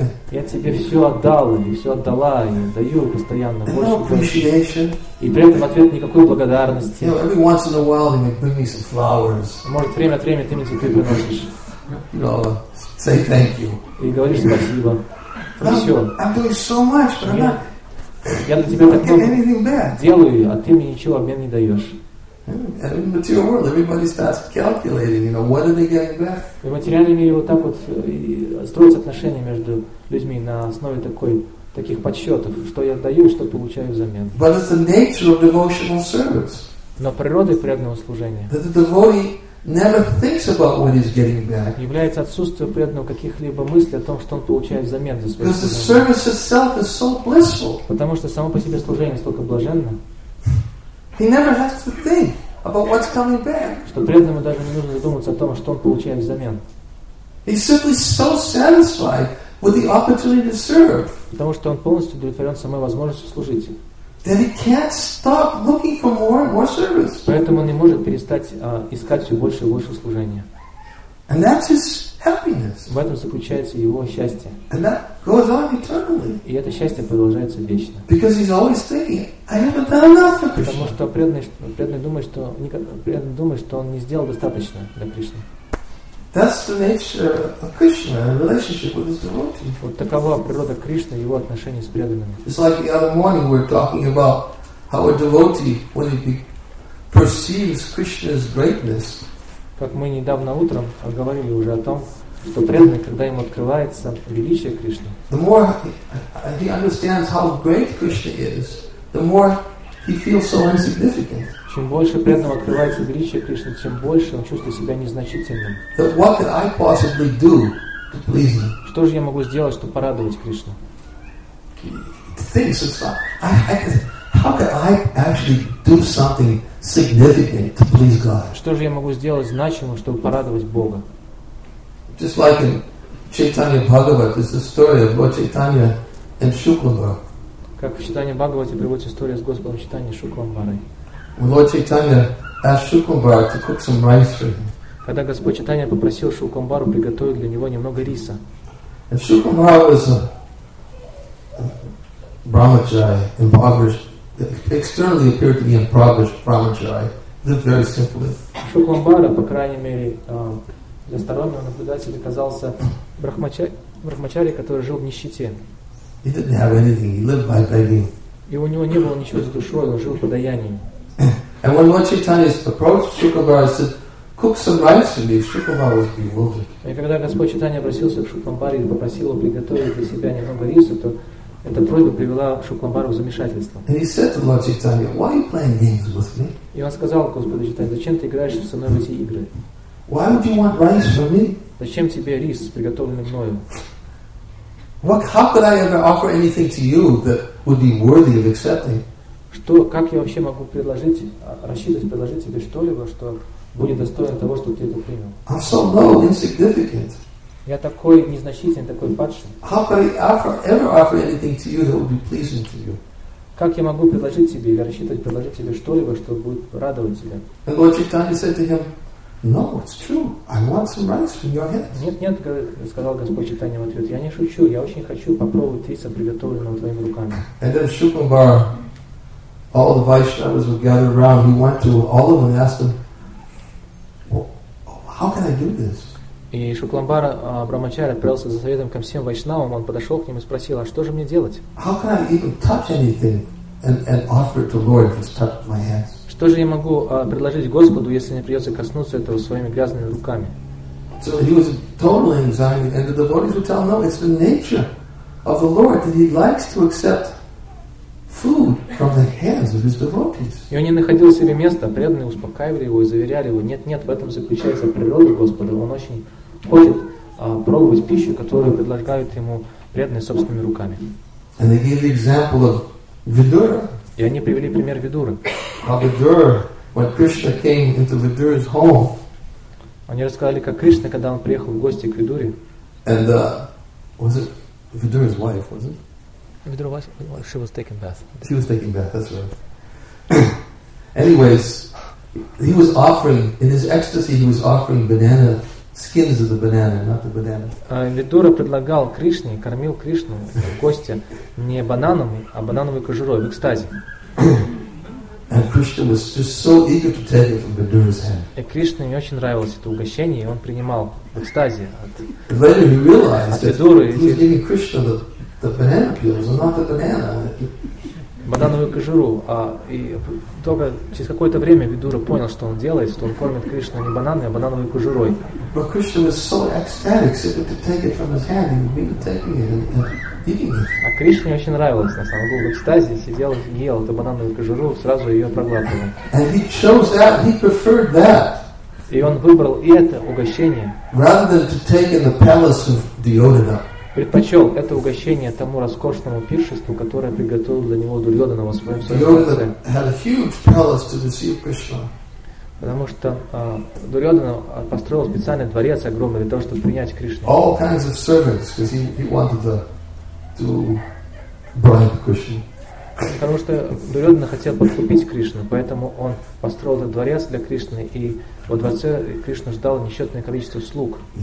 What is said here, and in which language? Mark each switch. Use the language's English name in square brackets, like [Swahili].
[Russian] Я тебе все отдал или все отдала и даю постоянно больше. И при этом в ответ никакой благодарности. [English] You know, every once in a while you may bring me some flowers. [Russian] Может, время от времени ты мне цветы приносишь. [English] No, say thank you. [Russian] И говори спасибо. Все. [English] I'm doing so much, but I'm not. [Russian] Я для тебя так много делаю, а ты мне ничего в обмен не даешь. [English] In the material world, everybody starts calculating. You know, what are they getting back? [Russian] В материальном мире вот так вот строятся отношения между людьми на основе таких подсчетов, что я даю, что получаю взамен. [English] But it's the nature of devotional service. [Russian] Но природой преданного служения. [English] That the devotee never thinks about what he's getting back. [Russian] Является отсутствие преданного каких-либо мыслей о том, что он получает взамен за свое служение. [English] Because the service itself is so blissful. [Russian] Потому что само по себе служение столько блаженно. [English] He never has to think about what's coming back. [Russian] Что преданному даже не нужно задуматься о том, что он получает взамен. [English] He's simply so satisfied with the opportunity to serve. [Russian] Потому что он полностью удовлетворен самой возможностью служить. [English] then he can't stop looking for more and more service. [Russian] Поэтому он не может перестать искать все больше и больше служения. [English] And that's his happiness. [Russian] В этом заключается его счастье. [English] And that goes on eternally. [Russian] И это счастье продолжается вечно. [English] Because he's always thinking, I haven't done enough for Krishna. [Russian] Потому что преданный думает, что он не сделал достаточно для Кришны. [English] That's the nature of Krishna in relationship with his devotee. [Russian] Вот такова природа Кришны и его отношения с преданными. [English] It's like the other morning we're talking about how a devotee, when he perceives Krishna's greatness. [Russian] Как мы недавно утром говорили уже о том, что преданный, когда ему открывается величие Кришны. [English] The more he understands how great Krishna is, the more he feels so insignificant. [Russian] Чем больше преданному открывается величие Кришны, тем больше он чувствует себя незначительным. [English] But what could I possibly do to please him? [Russian] Что же я могу сделать, чтобы порадовать Кришну? [English] Things it's like, how could I actually do something significant to please God? [Russian] Что же я могу сделать значимого, чтобы порадовать Бога? [English] Just like in Chaitanya Bhagavat, there's the story of Lord Chaitanya and Shukla. [Russian] Как в Читании Бхагавате приводится история с Господом Читани Шукламбарой. [English] Lord Chaitanya asked Shukumbhara to cook some rice for him. [Russian] Когда Господь Читания попросил Шукламбару приготовить для него немного риса. [English] And Shukumbhara was a brahmachari, impoverished, externally appeared to be impoverished brahmachari, lived very simply. [Russian] Шукламбара, по крайней мере, для стороннего наблюдателя казался брахмачари, который жил в нищете. [English] He didn't have anything. He lived by begging. [Russian] И у него не было ничего за душой, он жил подаянием. [English] And when Lord Chaitanya approached Shukumbhara, said, "Cook some rice for me." Shukumbhara was bewildered. [Russian] И когда Господь Читания обратился к Шукламбаре и попросил его приготовить для себя немного риса, то эта просьба привела Шукламбару в замешательство. [English] And he said to Lord Chaitanya, "Why are you playing games with me?" [Russian] И он сказал Господу Читанию, "Зачем ты играешь со мной в эти игры?" [English] Why would you want rice for me? [Russian] Зачем тебе рис, приготовленный мною? [English] What? How could I ever offer anything to you that would be worthy of accepting? [Russian] Что, как я вообще могу предложить тебе что-либо, что будет достойно того, чтобы ты это принял? [English] I'm so low, insignificant. [Russian] Я такой незначительный, такой падший. [English] How could I ever offer anything to you that would be pleasing to you? [Russian] Как я могу предложить тебе или рассчитывать предложить тебе что-либо, что будет радовать тебя? [English] And Lord Chaitanya said to him, "No, it's true. I want some rice from your hands." [Russian] Нет, сказал Господь Читания в ответ. Я не шучу. Я очень хочу попробовать риса, приготовленного твоими руками. [English] And then Shukumbhara, all the Vaishnavas were gathered around. He went to all of them and asked them, "Well, how can I do this?" [Russian] И Шукламбара Брамачари отправился за советом ко всем Вайшнавам. Он подошел к ним и спросил: "А что же мне делать?" [English] How can I even touch anything and offer it to Lord if it's touched my hands? [Russian] Что же я могу предложить Господу, если мне придется коснуться этого своими грязными руками? [English] So he was totally anxiety, and the devotees would tell him, "No, it's the nature of the Lord that he likes to accept food from the hands of his devotees." [Russian] И он не находил себе места, преданные успокаивали его и заверяли его: "Нет, в этом заключается природа Господа. Он очень хочет пробовать пищу, которую предлагают ему преданные собственными руками." [English] And they gave the example of Vidura. [Russian] И они привели пример Видуры. [English] When Krishna came into Vidura's home, [Russian] они рассказали, как Кришна, когда он приехал в гости к Видуре. [English] And was it Vidura's wife? Was it? Vidura was. Well, she was taking bath. She was taking bath. That's right. Anyways, he was offering in his ecstasy. He was offering banana skins of the banana, not the banana. [Russian] Видура предлагал Кришне, кормил Кришну в гости не бананами, а банановой кожурой в экстазе. [English] And Krishna was just so eager to take it from Vidura's hand. [Russian] И Кришне не очень нравилось это угощение, и он принимал в экстазе от [English] Vidura. Later he realized that he was giving Krishna the banana peels, and not the banana. [Russian] Банановую кожуру. И только через какое-то время Видура понял, что он делает, что он кормит Кришну не бананами, а банановой кожурой. [English] But Krishna was so ecstatic, he wanted to take it from his hand. He would be taking it and eating it. [Russian] А Кришне очень нравилось, на самом деле, он был в экстазе, сидел, ел эту банановую кожуру, сразу ее проглатывал. [English] And he chose that, he preferred that. [Russian] И он выбрал и это угощение. [English] Rather than to take in the palace of Duryodhana. [Russian] Предпочел это угощение тому роскошному пиршеству, которое приготовил для него Дурьодана во своем сердце. Потому что Дурьодана построил специальный дворец огромный для того, чтобы принять Кришну. [English] All kinds of servants, because he wanted to bribe Krishna. [Russian] Потому что Дурьодхана хотел подкупить Кришну, поэтому он построил этот дворец для Кришны, и во дворце Кришна ждал несчетное количество слуг.